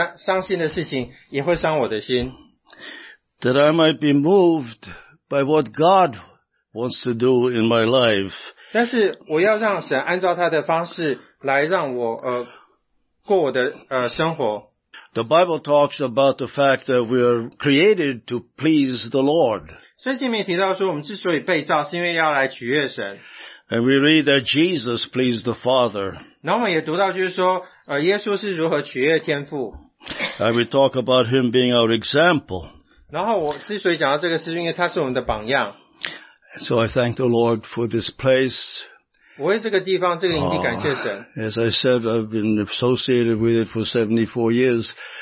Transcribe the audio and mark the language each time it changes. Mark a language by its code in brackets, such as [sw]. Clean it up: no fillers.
[zh] 在我女儿她有一个小小的一段，她记下来的文字，她就是说那些会伤神的，会让神伤心的事情，也会伤我的心。 [en] That I might be moved by what God wants to do in my life. [zh] 但是我要让神按照他的方式来让我过我的生活。 [en] The Bible talks about the fact that we are created to please the Lord. [zh] 圣经里面提到说我们之所以被造是因为要来取悦神。 [en] And we read that Jesus pleased the Father. [zh] 然后我们也读到就是说耶稣是如何取悦天父。 [en] And we talk about Him being our example. [zh] 然后我之所以讲到这个是因为他是我们的榜样。 [en] So I thank the Lord for this place. [zh] 我为这个地方这个营地感谢神。 [en] As I said, I've been associated with it for 74 years.